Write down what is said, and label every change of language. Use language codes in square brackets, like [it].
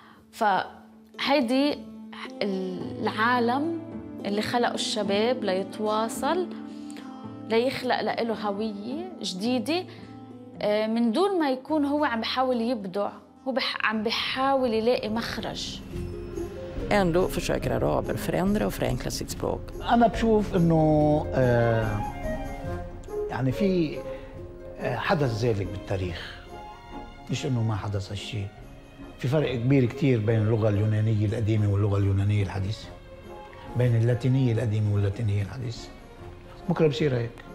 [ar] فهيدي العالم اللي خلقه الشباب ليتواصل ليخلق لإله هوية جديدة من دون ما يكون هو عم بحاول يبدع هو عم بحاول يلاقي مخرج. [sv] Ändå försöker araber förändra och förenkla sitt språk. [ar] أنا بشوف إنه يعني في حدث ذلك بالتاريخ مش إنه ما حدث هالشيء في فرق كبير كتير بين اللغة اليونانية القديمة واللغة اليونانية الحديثة بين اللاتينية القديمة واللاتينية الحديثة بكرة بصير هيك.